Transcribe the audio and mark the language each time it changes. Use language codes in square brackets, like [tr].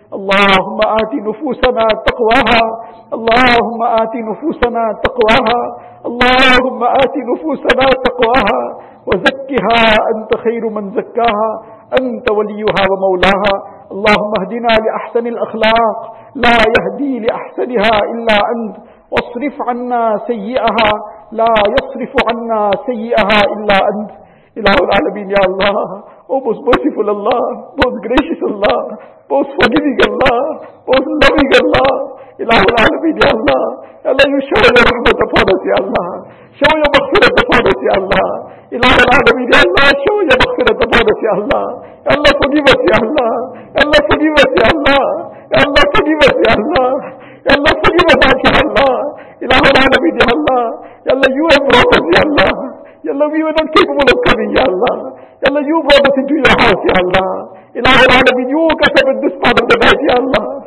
[ar] اللهم آت نفوسنا تقواها، اللهم آت نفوسنا تقواها، اللهم آت نفوسنا تقواها، وزكها أنت خير من زكاها، أنت وليها ومولاها. اللهم اهدنا لأحسن الأخلاق، لا يهدي لأحسنها إلا أنت، واصرف عنا سيئها، لا يصرف عنا سيئها إلا أنت. إله العالمين يا الله، [en] oh most merciful Allah, most gracious Allah, most forgiving Allah, most loving Allah. [ar] إله العالمين يا الله، [en] Allah you show your mercy upon us [ar] يا الله، [en] show your mercy upon us [ar] يا الله. إله العالمين يا الله، [en] show your mercy upon us [ar] يا الله. [en] Allah forgive us [ar] يا الله، [en] Allah forgive us يا الله، Allah forgive us [ar] يا الله. [en] Allah forgive us, Ya Allah. Allah forgive us, Ya Allah. Allah, you have brought us, Ya Allah. Allah, we were not capable of coming, Ya Allah. Allah, you brought us into your house, Ya Allah. Allah forgive us, you woke us up at this part of the night, Ya Allah.